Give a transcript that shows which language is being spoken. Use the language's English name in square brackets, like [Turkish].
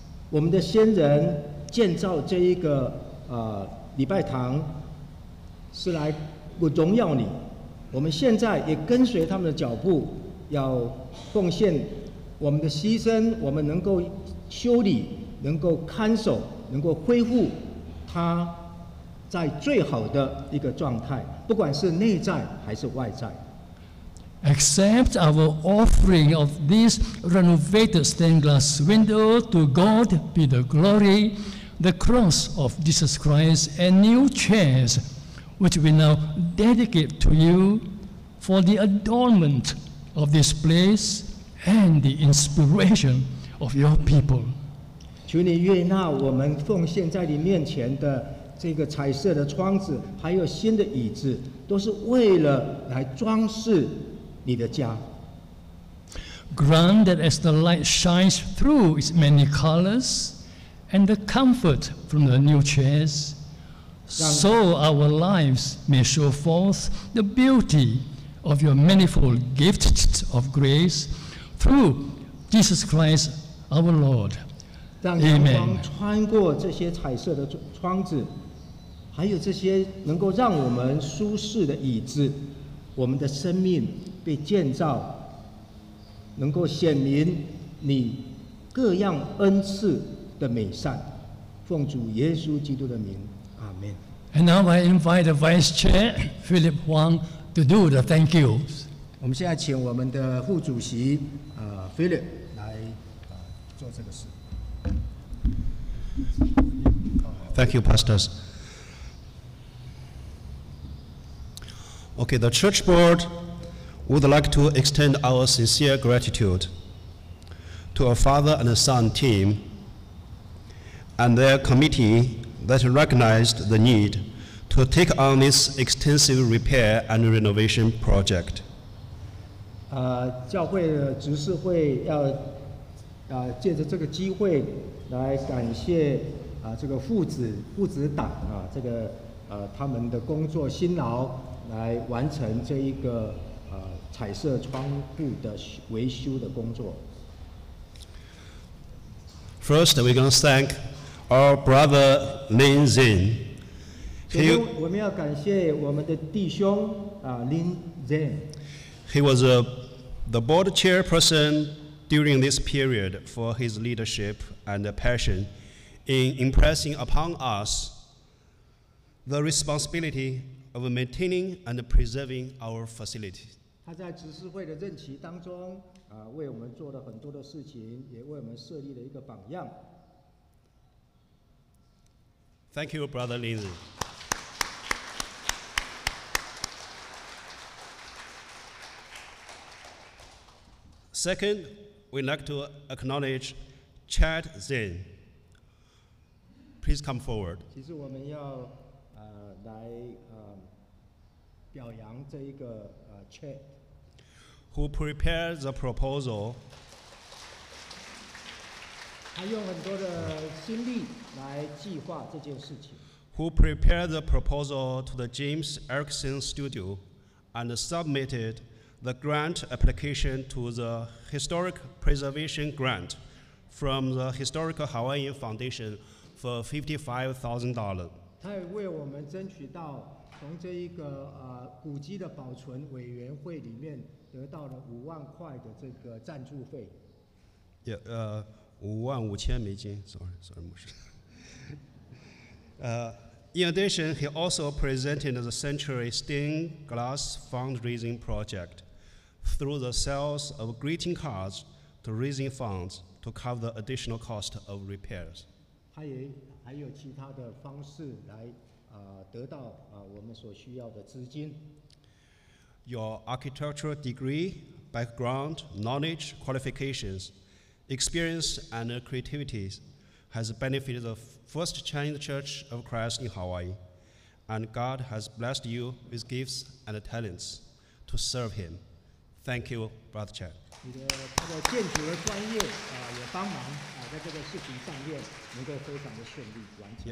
[Chinese] 我们的先人建造这一个礼拜堂是来荣耀你。我们现在也跟随他们的脚步，要奉献我们的牺牲，我们能够修理，能够看守，能够恢复它。在最好的一个状态，不管是内在还是外在。 [English] Accept our offering of this renovated stained glass window to God be the glory, the cross of Jesus Christ and new chairs, which we now dedicate to you for the adornment of this place and the inspiration of your people. [Chinese] 求你悦纳我们奉献在你面前的。这个彩色的窗子，还有新的椅子，都是为了来装饰你的家。 [English] Grant that as the light shines through its many colors, and the comfort from the new chairs, so our lives may show forth the beauty of your manifold gifts of grace through Jesus Christ, our Lord. [Chinese] 让阳光穿过这些彩色的窗子，还有这些能够让我们舒适的椅子，我们的生命被建造，能够显明你各样恩赐的美善。奉主耶稣基督的名，阿门。 [English] And now I invite the Vice Chair Philip Huang to do the thank you. [Chinese] 我们现在请我们的副主席Philip 来做这个事。 [English] Thank you, pastors. Okay, the church board would like to extend our sincere gratitude to our father and son team and their committee that recognized the need to take on this extensive repair and renovation project. [Chinese] 教会的执事会要借着这个机会来感谢这个父子党这个他们的工作辛劳来完成这一个彩色窗户的维修的工作。 [English] First, we're going to thank our brother Lin Zhen. [Chinese] 首先，我们要感谢我们的弟兄Lin Zhen. [English] He was the board chairperson during this period for his leadership and passion in impressing upon us the responsibility of maintaining and preserving our facility. [Chinese] 他在执事会的任期当中为我们做了很多的事情，也为我们设立了一个榜样。 [English] Thank you, Brother Lindsay. Second, we'd like to acknowledge Chad Zhen. Please come forward. [Chinese] 其实我们要来表扬这一个Chad。 [English] Who prepared the proposal? [Chinese] 他用很多的心力来计划这件事情。 [English] Who prepared the proposal to the James Erickson Studio and submitted the grant application to the Historic Preservation Grant from the Historical Hawaiian Foundation for $55,000? [Chinese] 他也为我们争取到从这一个古迹的保存委员会里面得到了$50,000的这个赞助费。 [English] $55,000 Sorry, [Chinese] 牧师。 [English] In addition, he also presented the Century Stained Glass fundraising project through the sales of greeting cards to raising funds to cover the additional cost of repairs. [Chinese] 他也还有其他的方式来得到我们所需要的资金。 [English] Your architectural degree, background, knowledge, qualifications, experience, and creativity has benefited the First Chinese Church of Christ in Hawaii, and God has blessed you with gifts and talents to serve Him. Thank you, Brother Chad. [Chinese] 你的建筑的专业也帮忙在这个事情上面能够非常的顺利完成。